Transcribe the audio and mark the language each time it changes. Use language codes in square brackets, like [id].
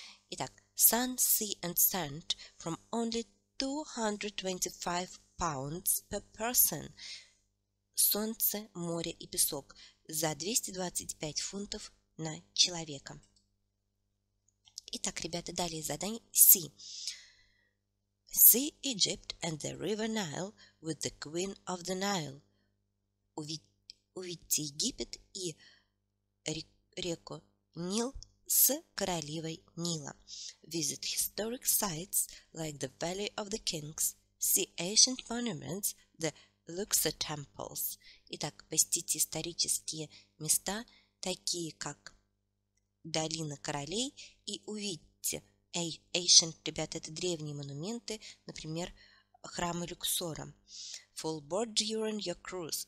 [en] Итак, sun, sea and sand from only 225 pounds per person. [ru] Солнце, море и песок за 225 фунтов на человека. Итак, ребята, далее задание C. [en] See Egypt and the River Nile with the Queen of the Nile. [ru] Увидьте Египет и реку Нил с королевой Нила. [en] Visit historic sites like the Valley of the Kings. See ancient monuments, the Luxor temples. [ru] Итак, посетите исторические места, такие как Долина королей, и увидите ancient, ребята, это древние монументы, например, храмы Люксора. [en] Full board during your cruise.